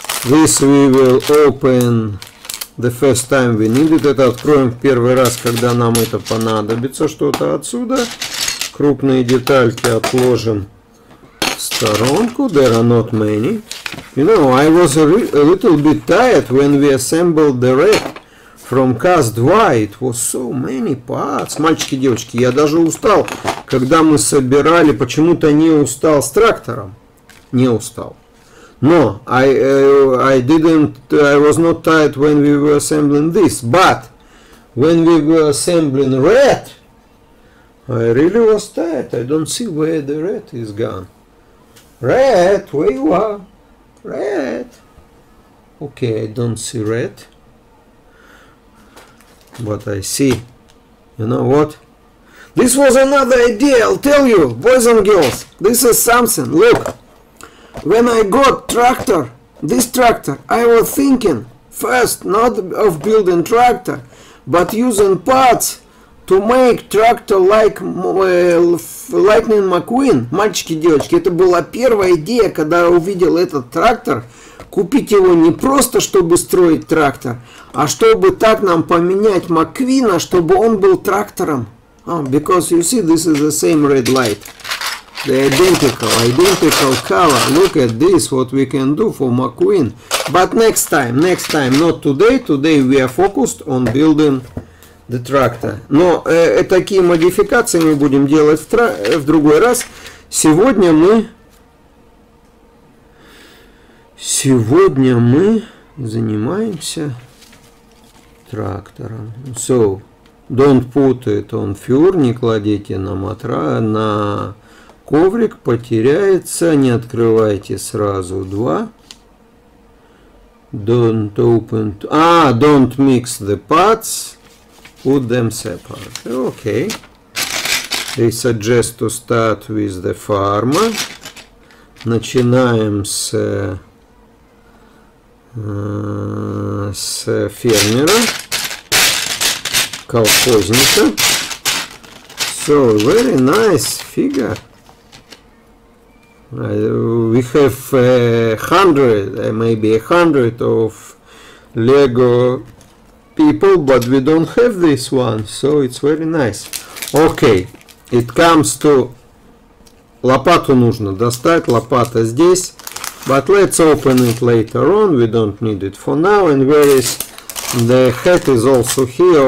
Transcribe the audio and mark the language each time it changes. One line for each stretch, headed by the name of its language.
English: This we will open the first time we need it.
Russian: Это откроем в первый раз, когда нам это понадобится, что-то отсюда. Крупные детальки отложим в сторонку.
English: There are not many. You know, I was a little bit tired when we assembled the red. From cast white was so many parts.
Russian: Мальчики, девочки, я даже устал, когда мы собирали, почему-то не устал с трактором. Не устал. Но
English: I was not tired when we were assembling this. But when we were assembling red, I really was tired. I don't see where the red is gone. Red, where you are? Red. Okay, I don't see red. But I see, you know what? This was another idea, I'll tell you, boys and girls. This is something, look. When I got tractor, this tractor, I was thinking, first, not of building tractor, but using parts to make tractor like Lightning McQueen.
Russian: Мальчики, девочки, это была первая идея, когда я увидел этот трактор. Купить его не просто, чтобы строить трактор, а чтобы так нам поменять Маквина, чтобы он был трактором.
English: Oh, because you see, this is the same red light. The identical, identical color. Look at this, what we can do for McQueen. But next time, not today. Today we are focused on building the tractor.
Russian: Но такие модификации мы будем делать в другой раз. Сегодня мы... Сегодня мы занимаемся трактором.
English: So, don't put it on floor,
Russian: не кладите на матрас, на коврик, потеряется, не открывайте сразу два.
English: Don't open, don't mix the parts, put them separate. Okay. They suggest to start with the farmer.
Russian: Начинаем с фермера, колхозника.
English: So, very nice figure. We have maybe a hundred of Lego people, but we don't have this one, so it's very nice. Okay, it comes to...
Russian: Лопату нужно достать, лопата здесь.
English: But let's open it later on, we don't need it for now. And where is the hat is also here.